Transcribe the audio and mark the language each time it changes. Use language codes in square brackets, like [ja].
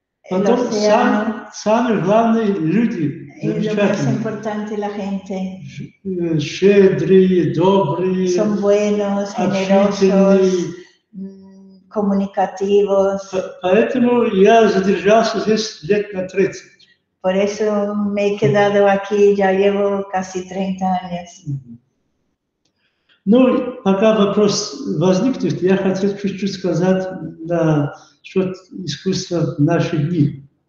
[ru] Потом самые главные люди, замечательные. Щедрые, добрые, [es] Son buenos, generosos, comunicativos. [ru] Поэтому я задержался здесь лет на 30. [es] Por eso me he quedado aquí, ya llevo casi 30 años. [ru] Ну, пока вопрос возник, то есть я хотел чуть-чуть сказать на счет искусства в наши дни.